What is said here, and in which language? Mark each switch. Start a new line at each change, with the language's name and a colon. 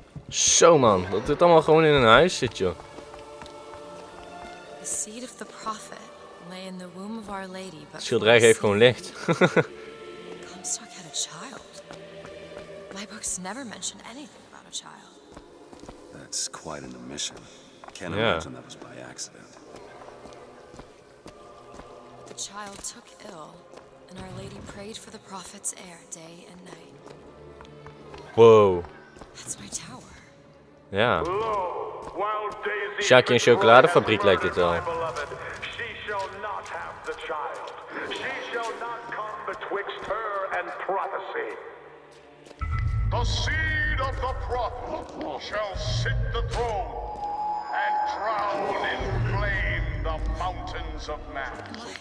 Dutch: Zo man, dat dit allemaal gewoon in een huis zit, joh.
English: The seed of the prophet lay in the womb of Our Lady, but
Dutch: Schilderij geeft gewoon licht.
English: Comstock had a child. My books never mention anything about a child. That's quite an omission. Can't imagine that was by accident. The child took ill, and Our Lady prayed for the prophet's heir day and night. Whoa. That's my tower.
Dutch: Ja. Shaki en chocoladefabriek lijkt dit wel.
English: She shall not have the child. She shall not come betwixt her and prophecy. The seed of the prophet shall sit the throne and drown in flame the mountains of man.